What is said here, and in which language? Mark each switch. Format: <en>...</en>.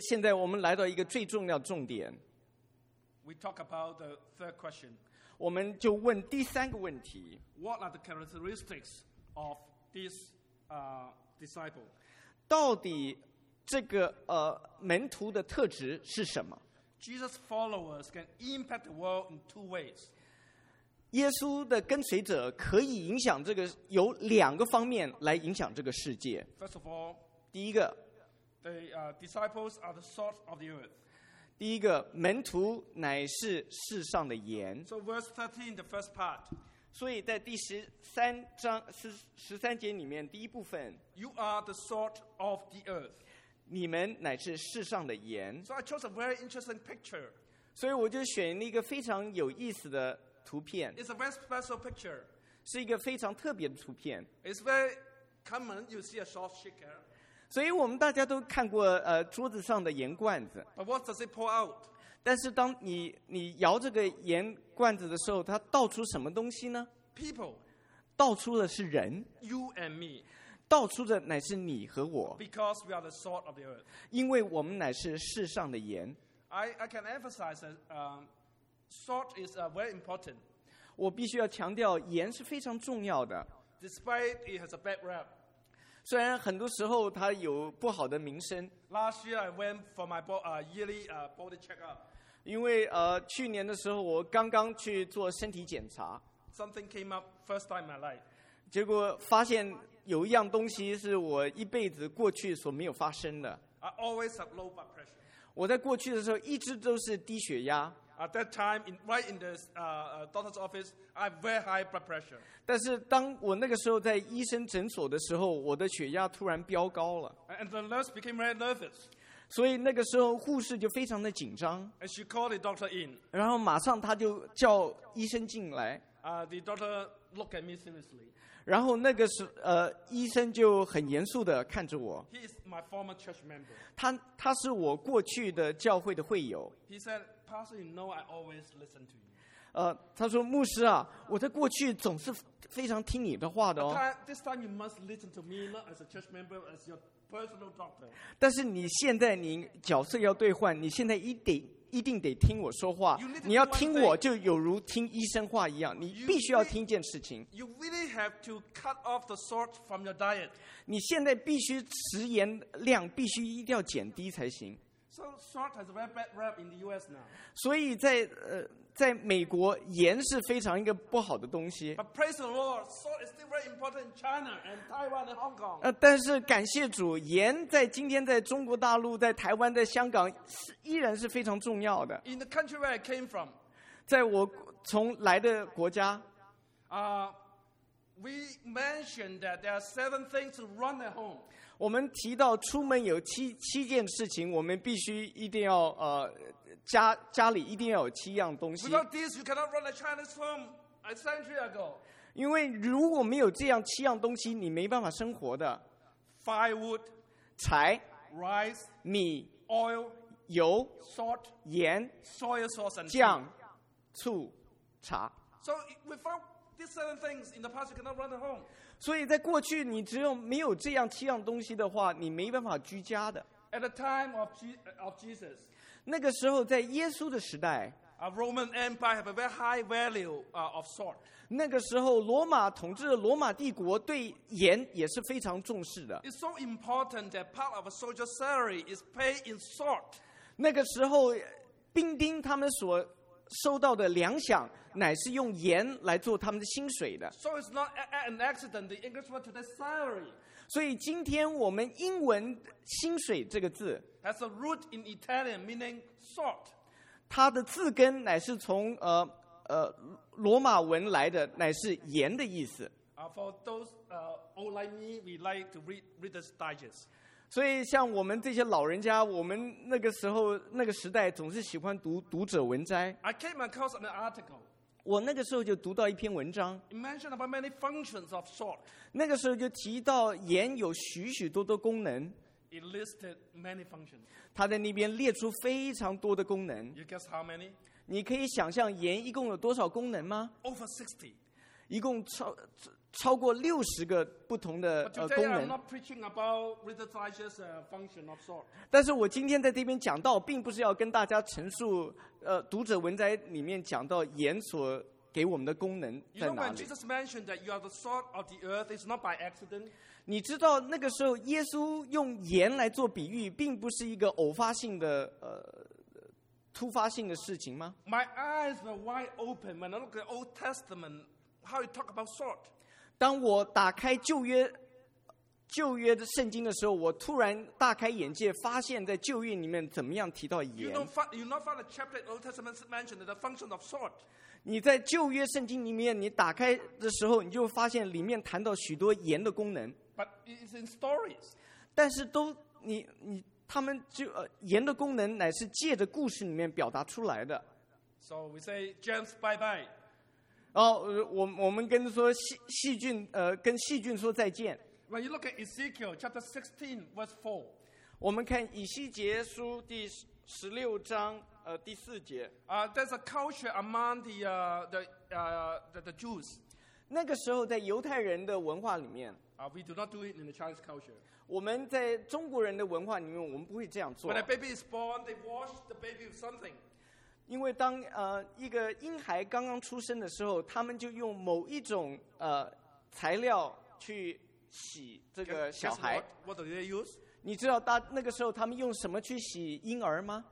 <zh>现在我们来到一个最重要重点。</zh> <en>We talk about the third question.</en> <zh>我们就问第三个问题。</zh> <en>What are the characteristics of this disciple?</en> <zh>到底这个门徒的特质是什么？</zh> <en>Jesus followers can impact the world in two ways.</en> <zh>耶稣的跟随者可以影响这个，有两个方面来影响这个世界。</zh> <en>First of all,</en> <zh>第一个</zh> <en>the disciples are the salt of the earth.</en> <zh>第一个，门徒乃是世上的盐。</zh> <en>So verse 13, the first part.</en> <zh>所以在第十三章十三节里面，第一部分。</zh> <en>You are the salt of the earth.</en> <zh>你们乃是世上的盐。</zh> <en>So I chose a very interesting picture.</en> <zh>所以我就选了一个非常有意思的图片。</zh> <en>It's a very special picture.</en> <zh>是一个非常特别的图片。</zh> <en>It's very common. You see a salt shaker.</en> <zh>所以我们大家都看过桌子上的盐罐子。</zh> <en>But what does it pour out?</en> <zh>但是当你摇这个盐罐子的时候，它倒出什么东西呢？</zh> <en>People.</en> <zh>道出的是人。</zh> <en>You and me.</en> <zh>道出的乃是你和我。</zh> <en>Because we are the salt of the earth.</en> <zh>因为我们乃是世上的盐。</zh> <en>I can emphasize that salt is very important.</en> <zh>我必须要强调盐是非常重要的。</zh> <en>Despite it has a bad rap.</en> <zh>虽然很多时候它有不好的名声。</zh> <en>Last year I went for my yearly body checkup.</en> <zh>因为去年的时候我刚刚去做身体检查。</zh> <en>Something came up first time in my life.</en> <zh>结果发现有一样东西是我一辈子过去所没有发生的。</zh> <en>I always have low blood pressure.</en> <zh>我在过去的时候一直都是低血压。</zh> <en>At that time, right in the doctor's office, I have very high blood pressure.</en> <zh>但是当我那个时候在医生诊所的时候，我的血压突然飙高了。</zh> <en>And the nurse became very nervous.</en> <zh>所以那个时候护士就非常的紧张。</zh> <en>And she called the doctor in.</en> <zh>然后马上他就叫医生进来。</zh> <en>The doctor looked at me seriously.</en> <zh>然后那个时医生就很严肃的看着我。</zh> <en>He is my former church member.</en> <zh>他是我过去的教会的会友。</zh> <en>He said, Pastor, you know I always listen to you.</en> <zh>他说牧师啊，我在过去总是非常听你的话的哦。</zh> <en>This time you must listen to me not as a church member, as your personal doctor.</en> <zh>但是你现在你角色要兑换，你现在一定得听我说话，你要听我就有如听医生话一样，你必须要听一件事情。</zh> <en>You really have to cut off the salt from your diet.</en> <zh>你现在必须食盐量必须一定要减低才行。</zh> <en>So salt has a very bad rap in the U.S. now.</en> <zh>所以在美国，盐是非常一个不好的东西。</zh> <en>But praise the Lord, salt is still very important in China and Taiwan and Hong Kong.</en> <zh>但是感谢主，盐在今天在中国大陆、在台湾、在香港依然是非常重要的。</zh> <en>In the country where I came from,</en> <zh>在我从来的国家，</zh> <en>we mentioned that there are seven things to run at home.</en> <zh>我们提到出门有七件事情，我们必须一定要家里一定要有七样东西。</zh> <en>Without this, you cannot run a Chinese firm a century ago.</en> <zh>因为如果没有这样七样东西，你没办法生活的。</zh> <en>Firewood,</en> <zh>柴</zh> <en>，rice,</en> <zh>米</zh> <en>，oil,</en> <zh>油</zh> <en>，salt,</en> <zh>盐</zh> <en>，soy sauce and</en> <zh>酱、醋、茶。</zh> <en>So without these seven things in the past, you cannot run a home.</en> <zh>所以在过去，你只有没有这样七样东西的话，你没办法居家的。</zh> <en>At the time of Jesus.</en> <zh>那个时候在耶稣的时代</zh> <en>Roman Empire have a very high value of salt.</en> <zh>那个时候罗马统治的罗马帝国对盐也是非常重视的。</zh> <en>It's so important that part of a soldier's salary is paid in salt.</en> <zh>那个时候兵丁他们所收到的粮饷乃是用盐来做他们的薪水的。</zh> <en>So it's not an accident the English word today salary.</en> <zh>所以今天我们英文薪水这个字</zh> <en>Has a root in Italian meaning salt.</en> <zh>它的字根乃是从罗马文来的，乃是盐的意思。</zh> <en>For those old like me, we like to read Reader's Digest.</en> <zh>所以像我们这些老人家，我们那个时候那个时代总是喜欢读者文摘。</zh> <en>I came across an article.</en> <zh>我那个时候就读到一篇文章。</zh> <en>It mentioned about many functions of salt.</en> <zh>那个时候就提到盐有许许多多功能。</zh> <en>It listed many functions.</en> <zh>它在那边列出非常多的功能。</zh> <en>You guess how many?</en> <zh>你可以想象盐一共有多少功能吗？</zh> <en>Over 60.</en> <zh>一共超过60个不同的功能。</zh> <en>But today I'm not preaching about Reader's Digest function of salt.</en> <zh>但是我今天在这边讲到，并不是要跟大家陈述读者文摘里面讲到盐所给我们的功能在哪里。</zh> <en>You know when Jesus mentioned that you are the salt of the earth, it's not by accident.</en> <zh>你知道那个时候耶稣用盐来做比喻并不是一个偶发性的突发性的事情吗？</zh> <en>My eyes were wide open when I look at the Old Testament how you talk about salt.</en> <zh>当我打开旧约的圣经的时候，我突然大开眼界，发现在旧约里面怎么样提到盐。</zh> <en>You not find a chapter in the Old Testament mentioned the function of salt.</en> <zh>你在旧约圣经里面你打开的时候，你就发现里面谈到许多盐的功能。</zh> <en>But it's in stories.</en> <zh>但是都你他们就盐的功能乃是借着故事里面表达出来的。</zh> <en>So we say James, bye bye.</en> <zh>哦，我们跟说细菌跟细菌说再见。</zh> <en>When you look at Ezekiel chapter 16 verse 4,</en> <zh>我们看以西结书第16章第四节。</zh> <en>There's a culture among the Jews.</en> <zh>那个时候在犹太人的文化里面</zh> <en>we do not do it in the Chinese culture.</en> <zh>我们在中国人的文化里面我们不会这样做。</zh> <en>When a baby is born, they wash the baby with something.</en> <zh>因为当一个婴孩刚刚出生的时候，他们就用某一种材料去洗这个小孩。</zh> <en>What do they use?</en> <zh>你知道那个时候他们用什么去洗婴儿吗？</zh>